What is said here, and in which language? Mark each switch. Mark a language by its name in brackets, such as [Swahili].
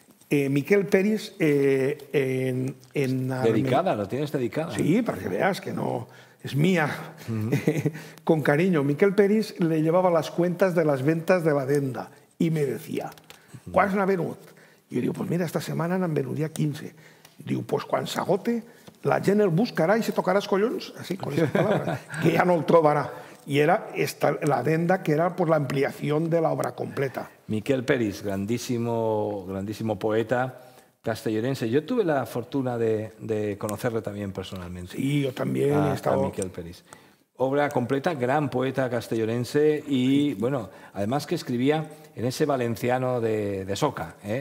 [Spanish] Miquel Peris en dedicada, lo tienes dedicada. Sí, para que veas que no es mía. Uh-huh. Con cariño, Miquel Peris le llevaba las cuentas de las ventas de la adenda y me decía, ¿cuáles han venido? Yo digo, pues mira, esta semana han venido día 15. Digo, pues [Catalan] cuan s'agote, la gent el buscarà i se tocarà els collons, [Spanish] así, con esa palabra, que ya no [Catalan] el trobarà. [Spanish] Y era esta, la adenda, que era por la ampliación de la obra completa. Miquel Peris, grandísimo, grandísimo poeta castellonense. Yo tuve la fortuna de conocerle también personalmente. Sí, yo también he estado... A Miquel Peris. Obra completa, gran poeta castellonense y, bueno, además que escribía en ese valenciano de Soca, ¿eh?